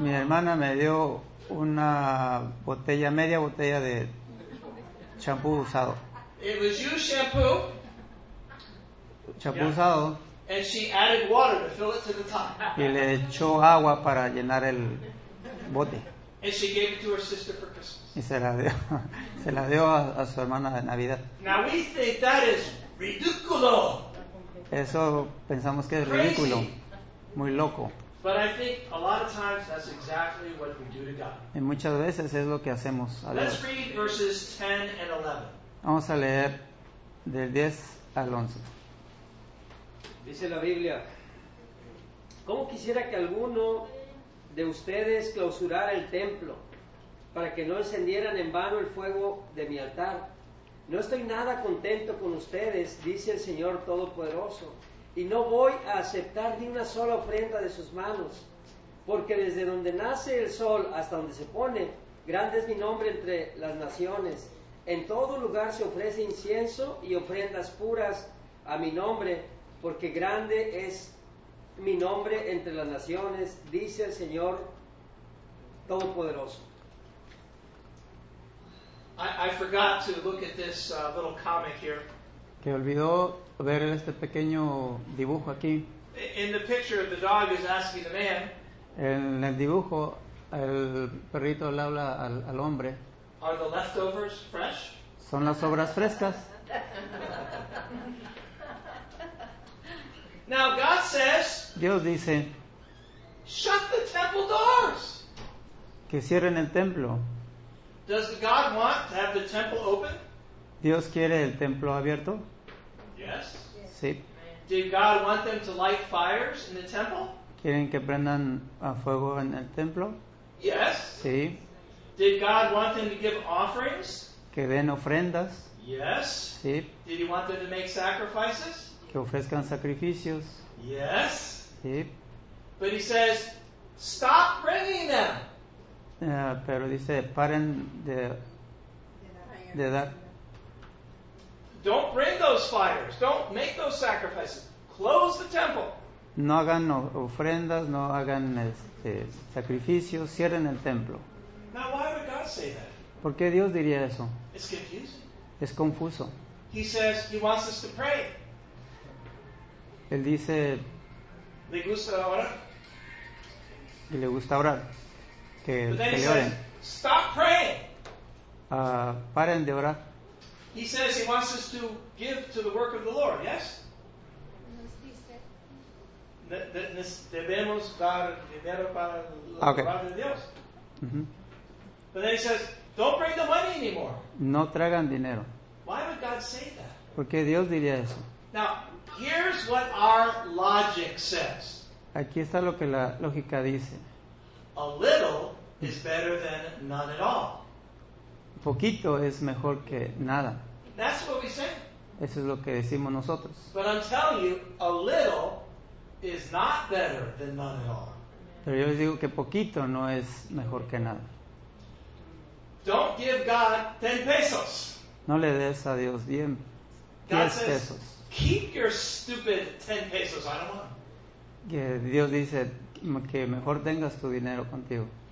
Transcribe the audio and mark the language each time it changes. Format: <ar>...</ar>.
<es>Mi hermana me dio una botella, media botella de champú usado.</es> <en>It was used shampoo.</en> <es>Champú usado.</es> <en>And she added water to fill it to the top.</en> <es>Y le echó agua para llenar el bote.</es> <en>And she gave it to her sister for Christmas.</en> <es>Y se la dio a su hermana de Navidad.</es> <en>Now we think that is ridículo.</en> <es>Eso pensamos que es ridículo. Muy loco.</es> <en>But I think a lot of times that's exactly what we do to God.</en> <es>Y muchas veces es lo que hacemos a</es> <en>Let's Let's read verses 10 and 11.</en> <es>Vamos a leer del 10 al 11. Dice la Biblia, ¿cómo quisiera que alguno de ustedes clausurara el templo para que no encendieran en vano el fuego de mi altar? No estoy nada contento con ustedes, dice el Señor Todopoderoso, y no voy a aceptar ni una sola ofrenda de sus manos, porque desde donde nace el sol hasta donde se pone, grande es mi nombre entre las naciones. En todo lugar se ofrece incienso y ofrendas puras a mi nombre, porque grande es mi nombre entre las naciones, dice el Señor Todopoderoso.</es> <en>I forgot to look at this little comic here.</en> <es>Que olvidó ver este pequeño dibujo aquí.</es> <en>In the picture, the dog is asking the man.</en> <es>En el dibujo, el perrito le habla al hombre.</es> <en>Are the leftovers fresh?</en> <es>¿Son las sobras frescas?</es> <en>Now God says,</en> <es>Dios dice,</es> <en>shut the temple doors.</en> <es>Que cierren el templo.</es> <en>Does God want to have the temple open?</en> <es>¿Dios quiere el templo abierto?</es> <en>Yes.</en> <es>Sí.</es> <en>Did God want them to light fires in the temple?</en> <es>¿Quieren que prendan a fuego en el templo?</es> <en>Yes.</en> <es>Sí.</es> <en>Did God want them to give offerings?</en> <es>Que den ofrendas.</es> <en>Yes.</en> <es>Sí.</es> <en>Did he want them to make sacrifices?</en> <es>Que ofrezcan sacrificios.</es> <en>Yes.</en> <es>Sí.</es> <en>But he says, stop bringing them.</en> <es>Pero dice, paren de dar.</es> <en>Don't bring those fires. Don't make those sacrifices. Close the temple.</en> <es>No hagan ofrendas, no hagan sacrificios, cierren el templo.</es> <en>Now why would God say that?</en> <es>¿Por qué Dios diría eso?</es> <en>It's confusing.</en> <es>Es confuso.</es> <en>He says he wants us to pray.</en> <es>Él dice, ¿le gusta orar? Y le gusta orar. Que</es> <en>then he says, stop praying.</en> <es>Paren de orar.</es> <en>He says he wants us to give to the work of the Lord, yes?</en> <es>Debemos dar dinero para la obra de Dios. Mm-hmm.</es> <en>But then he says, don't bring the money anymore.</en> <es>No traigan dinero.</es> <en>Why would God say that?</en> <es>Porque Dios diría eso.</es> <en>Now, here's what our logic says.</en> <es>Aquí está lo que la lógica dice.</es> <en>A little is better than none at all.</en> <es>Poquito es mejor que nada.</es> <en>That's what we say.</en> <es>Eso es lo que decimos nosotros.</es> <en>But I'm telling you, a little is not better than none at all.</en> <es>Pero yo les digo que poquito no es mejor que nada.</es> <en>Don't give God 10 pesos.</en> <es>No le des a Dios 10</es> <en>God says,</en> <es>pesos.</es> <en>Keep your stupid 10 pesos, I don't want.</en> <es>Que Dios dice que mejor tengas tu dinero contigo.</es>